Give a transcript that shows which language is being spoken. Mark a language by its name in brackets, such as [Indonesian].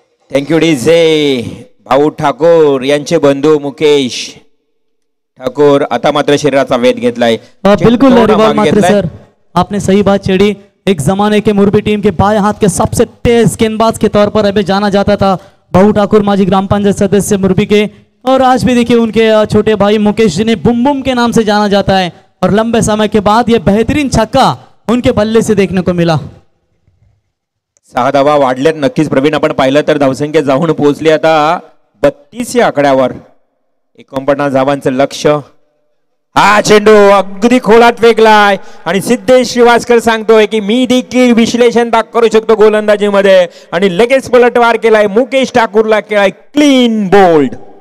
[Marathi] Thank you D झे भाऊ ठाकूर यांचे बंधू मुकेश ठाकूर आता मात्र शरीराचा वेध घेतलाय. [Hindi] बिलकुल सर आपने सही बात छेड़ी. एक जमाने के मुरबी टीम के बाएं हाथ के सबसे तेज गेंदबाज के तौर पर अभी जाना जाता था भाऊ ठाकूर [Marathi] माजी ग्राम पंचायत सदस्य [Hindi] मुरबी के. और आज भी देखिए उनके छोटे भाई मुकेश जी ने बुमबुम के नाम से जाना जाता है और लंबे समय के बाद यह बेहतरीन छक्का उनके बल्ले से देखने को मिला. [Marathi] 6 धावा वाढल्यात नक्कीच प्रवीण. आपण पाहिलं तर धावसंख्या जाऊन पोहोचली आता 32 या आकड्यावर 49 धावांचं लक्ष. हा चेंडू अगदी खोलात फेकलाय आणि सिद्धेश श्रीवास्कर सांगतोय की मी देखील विश्लेषण दाख करू शकतो गोलंदाजीमध्ये आणि लगेच पलटवार केलाय मुकेश ठाकूरला केलाय क्लीन बोल्ड.